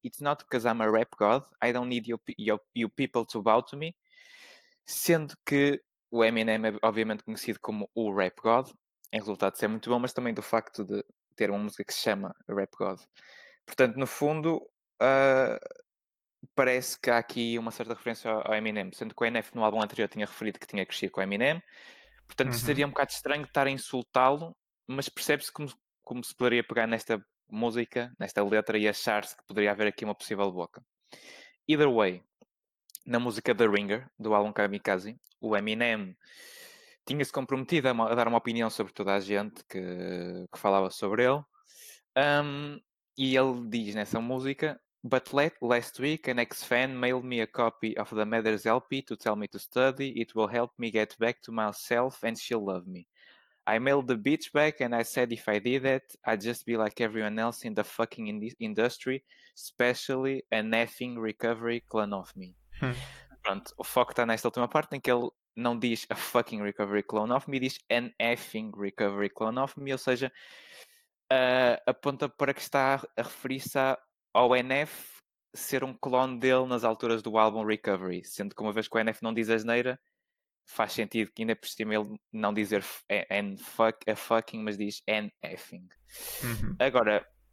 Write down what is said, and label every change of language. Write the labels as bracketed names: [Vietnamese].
[English] It's not because I'm a rap god, I don't need you people to bow to me." [Portuguese] Sendo que o Eminem é obviamente conhecido como o rap god, em resultado de ser muito bom, mas também do facto de ter uma música que se chama Rap God. Portanto, no fundo, parece que há aqui uma certa referência ao Eminem, sendo que o NF no álbum anterior tinha referido que tinha crescido com o Eminem, portanto seria um bocado estranho estar a insultá-lo, mas percebe-se como se poderia pegar nesta música, nesta letra, e achar-se que poderia haver aqui uma possível boca. [English] Either way, [Portuguese] na música The Ringer, do álbum Kamikaze, o Eminem tinha-se comprometido a dar uma opinião sobre toda a gente que falava sobre ele, e ele diz nessa música: [English] "But last week an ex-fan mailed me a copy of the Mathers LP to tell me to study. It will help me get back to myself and she'll love me. I mailed the bitch back and I said if I did that, I'd just be like everyone else in the fucking industry, especially an effing recovery clone of me." [Portuguese] Pronto, o foco está nesta última parte em que ele não diz [English] a fucking recovery clone of me, [Portuguese] diz [English] an effing recovery clone of me, [Portuguese] ou seja, aponta para que está a referir-se ao NF ser um clone dele nas alturas do álbum Recovery, sendo que uma vez que o NF não diz asneira, faz sentido que ainda por cima ele não dizer [English] a fucking, [Portuguese] mas diz [English] an effing. [Portuguese] Agora,